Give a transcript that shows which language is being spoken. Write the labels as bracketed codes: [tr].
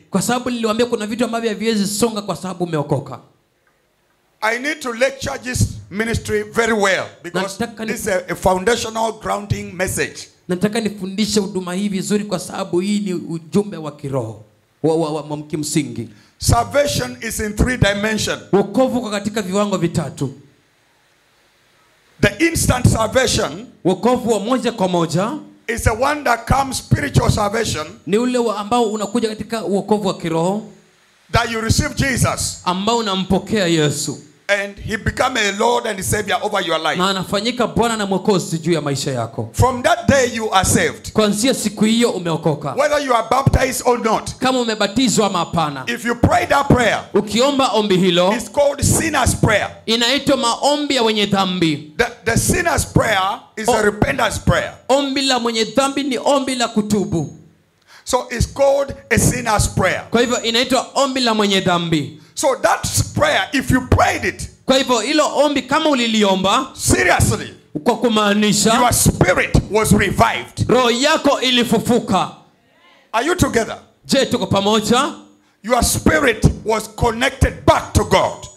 [sw] Kwa sababu niliwaambia kuna vitu ambavyo haviwezi songa kwa sababu umeokoka. [en] I need to lecture this ministry very well because this is a foundational grounding message. [sw] Nataka nifundishe huduma hii vizuri kwa sababu hii ni ujumbe wa kiroho wa kimsingi. [en] Salvation is in three dimensions. [sw] Wokovu kwa katika viwango vitatu. [en] The instant salvation, [sw] wokovu wa moja kwa moja, [en] is the one that comes spiritual salvation. [sw] Ni ule ambao unakuja katika wokovu wa kiroho. [en] That you receive Jesus. [sw] Ambao unampokea Yesu. [en] And he become a Lord and a Savior over your life. [sw] Na anafanyika Bwana na Mwokozi juu ya maisha yako. [en] From that day you are saved. [sw] Kuanzia siku hiyo umeokoka. [en] Whether you are baptized or not. [sw] Kama umebatizwa ama hapana. [en] If you pray that prayer. [sw] Ukiomba ombi hilo. [en] It's called sinner's prayer. [sw] Inaitwa maombi ya wenye dhambi. [en] The sinner's prayer is a repentance prayer. [sw] Ombi la mwenye dhambi ni ombi la kutubu. [en] So it's called a sinner's prayer. [sw] Kwa hivyo inaitwa ombi la mwenye dhambi. [en] So that prayer, if you prayed it, [sw] kwa hivyo hilo ombi kama uliliomba, [en] seriously, [sw] kwa kumaanisha, [en] your spirit was revived. [sw] Roho yako ilifufuka. [en] Are you together? [sw] Je, tuko pamoja? [en] Your spirit was connected back to God.